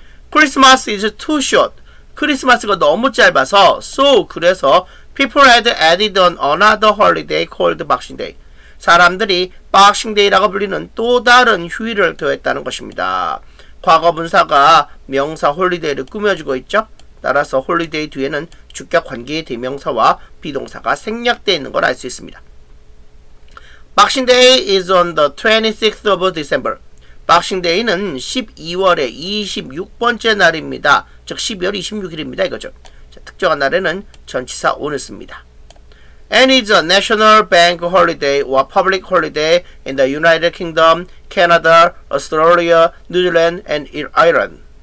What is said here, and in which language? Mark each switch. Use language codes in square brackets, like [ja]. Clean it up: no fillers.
[en] Christmas is too short. [ko] 크리스마스가 너무 짧아서 [en] so [ko] 그래서 [en] People had added on another holiday called Boxing Day. [ko] 사람들이 Boxing Day라고 불리는 또 다른 휴일을 더했다는 것입니다. 과거 분사가 명사 holiday를 꾸며주고 있죠. 따라서 holiday 뒤에는 주격 관계의 대명사와 비동사가 생략되어 있는 걸 알 수 있습니다. [en] Boxing Day is on the 26th of December. [ko] Boxing Day는 12월의 26번째 날입니다. 즉 12월 26일입니다. 이거죠. 특정한 날에는 전치사 오늘 씁니다. [en] And is a national bank holiday or public holiday in the United Kingdom, Canada, Australia, New Zealand, and Ireland.